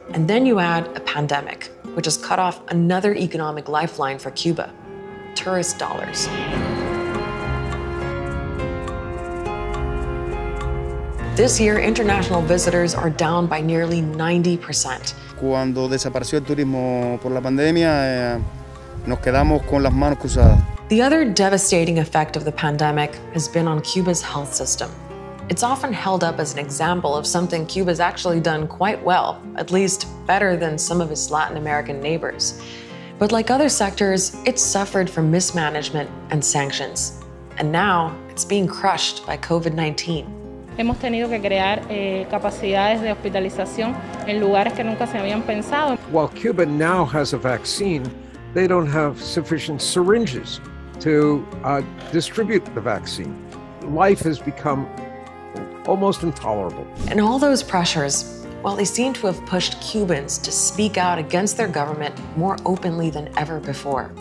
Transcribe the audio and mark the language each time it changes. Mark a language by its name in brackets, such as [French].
[English] And then you add a pandemic, which has cut off another economic lifeline for Cuba, tourist dollars. This year, international visitors are down by nearly 90%. [Spanish] Cuando desapareció el turismo por la pandemia, nos quedamos con las manos cruzadas. [English] The other devastating effect of the pandemic has been on Cuba's health system. It's often held up as an example of something Cuba's actually done quite well, at least better than some of its Latin American neighbors. But like other sectors, it's suffered from mismanagement and sanctions. And now it's being crushed by COVID-19. [Spanish] Hemos tenido que crear capacidades de hospitalización en lugares que nunca se habían pensado. [English] While Cuba now has a vaccine, they don't have sufficient syringes to distribute the vaccine. Life has become almost intolerable. And all those pressures, well, they seem to have pushed Cubans to speak out against their government more openly than ever before.